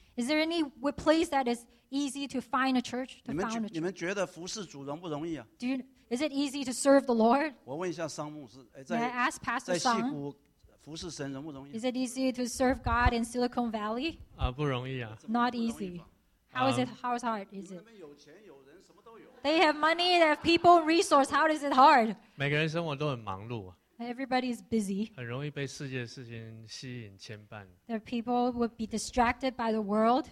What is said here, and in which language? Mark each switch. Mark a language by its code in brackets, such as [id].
[en] Is there any place that is easy to find a church? To found a church? [zh] 你们觉得服侍主容不容易啊？ [en] Is it easy to serve the Lord? [zh] 我问一下桑牧师， [en] 在, May I ask Pastor Song? [zh] 在西谷服侍神容不容易？ [en] Is it easy to serve God in Silicon Valley? [zh] 不容易啊。 [en] Not easy. How is it? How is hard? Is it? [zh] 你们那边有钱有人。 [en] They have money, they have people, resource. How is it hard? [zh] 每个人生活都很忙碌。 [en] Everybody is busy. [zh] 很容易被世界的事情吸引牵绊。 [en] There are people who would be distracted by the world.